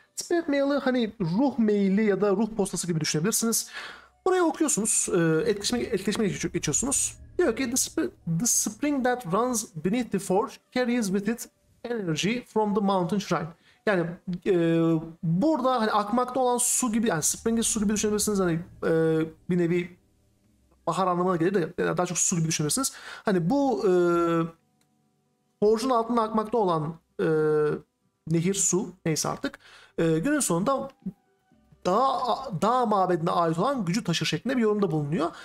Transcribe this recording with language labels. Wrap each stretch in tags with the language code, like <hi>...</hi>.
<tr>Spirit mail'ı hani ruh maili ya da ruh postası gibi düşünebilirsiniz. Buraya okuyorsunuz. Etkileşime geçiyorsunuz. Diyor ki</tr> <en>the spring that runs beneath the forge carries with it energy from the mountain shrine.</en> <tr>Yani burada hani akmakta olan su gibi, yani springi su gibi düşünebilirsiniz, hani bir nevi bahar anlamına gelir de daha çok su gibi düşünebilirsiniz. Hani bu forge'un altında akmakta olan nehir, su neyse artık günün sonunda dağ mabedine ait olan gücü taşır şeklinde bir yorumda bulunuyor.</tr>